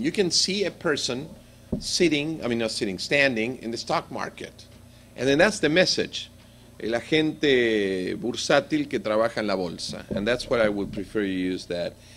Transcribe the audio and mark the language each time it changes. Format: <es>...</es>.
<en>You can see a person standing in the stock market. And then that's the message.</en> <es>El agente bursátil que trabaja en la bolsa.</es> <en>And that's what I would prefer you use, that.</en>